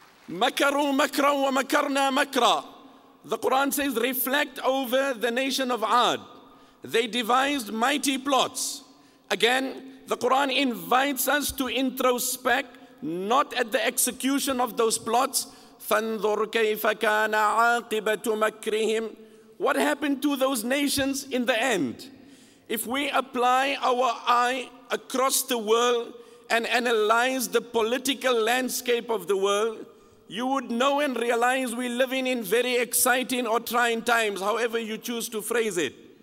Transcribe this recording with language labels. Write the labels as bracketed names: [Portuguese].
[Arabic] Makaru makra wa makarna makra. [English] The Quran says, reflect over the nation of Ad. They devised mighty plots. Again, the Quran invites us to introspect, not at the execution of those plots, [Arabic] فانظر كيف كان عاقبة مكرهم. [English] What happened to those nations in the end? If we apply our eye across the world and analyze the political landscape of the world, you would know and realize we're living in very exciting or trying times, however you choose to phrase it.